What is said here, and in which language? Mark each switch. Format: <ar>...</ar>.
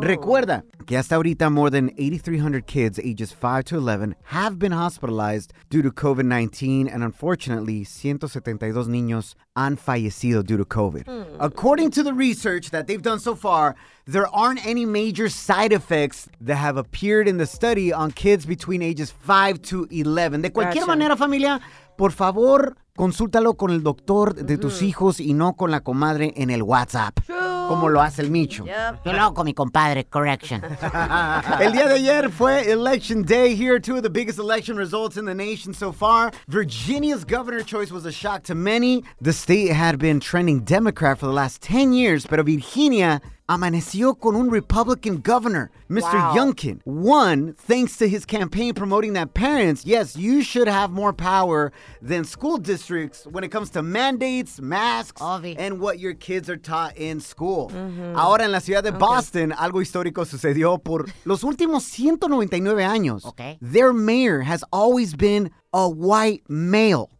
<es>Recuerda que hasta ahorita</es> <en>more than 8,300 kids ages 5 to 11 have been hospitalized due to COVID-19. And unfortunately, 172</en> <es>niños han fallecido</es> <en>due to COVID. Hmm. According to the research that they've done so far, there aren't any major side effects that have appeared in the study on kids between ages 5 to 11.</en> <es>De cualquier</es> <en>gotcha.</en> <es>Manera, familia, por favor, consúltalo con el doctor de tus hijos y no con la comadre en el WhatsApp. Como lo hace el Micho.</es> <en>Yep.</en> <es>Yo lo hago con mi compadre, correction. El día de ayer fue election day.</es> <en>Here are two of the biggest election results in the nation so far. Virginia's governor choice was a shock to many. The state had been trending Democrat for the last 10 years,</en> <es>pero Virginia amaneció con un</es> <en>Republican governor. Mr. Wow. Youngkin won thanks to his campaign promoting that parents, yes, you should have more power than school districts when it comes to mandates, masks, Obvi. And what your kids are taught in school. Mm-hmm.</en> <es>Ahora en la ciudad de okay. Boston, algo histórico sucedió por los últimos 199 años.</es> <en>Okay. Their mayor has always been a white male.</en>